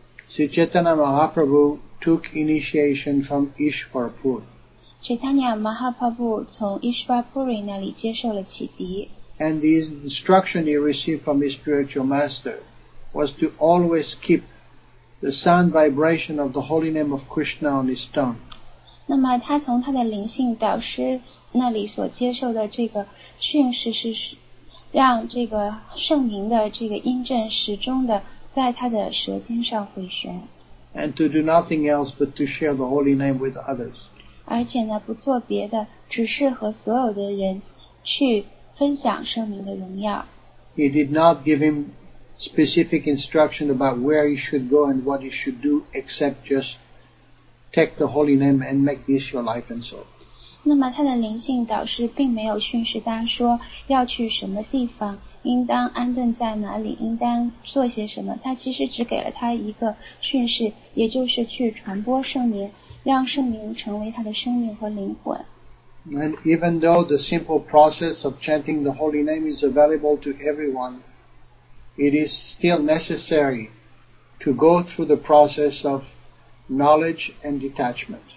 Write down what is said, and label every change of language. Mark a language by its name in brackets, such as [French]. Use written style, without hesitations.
[English] Sri Chaitanya Mahaprabhu took initiation from Ishwarpuri. [Chinese] Chaitanya Mahaprabhu 从 Ishwarpuri 那里接受了启迪。 [English] And the instruction he received from his spiritual master was to always keep the sound vibration of the holy name of Krishna on his tongue. [Chinese] 那么他从他的灵性导师那里所接受的这个训示是让这个圣名的这个音阵始终的在他的舌尖上回旋。 [English] And to do nothing else but to share the holy name with others. [Chinese] 而且呢，不做别的，只是和所有的人去分享圣名的荣耀。 [English] He did not give him specific instruction about where he should go and what he should do, except just take the holy name and make this your life and soul. [Chinese] 那么他的灵性导师并没有训示他说要去什么地方。应当安顿在哪里，应当做些什么，他其实只给了他一个训示，也就是去传播圣名，让圣名成为他的生命和灵魂。 [English] And even though the simple process of chanting the holy name is available to everyone, it is still necessary to go through the process of knowledge and detachment.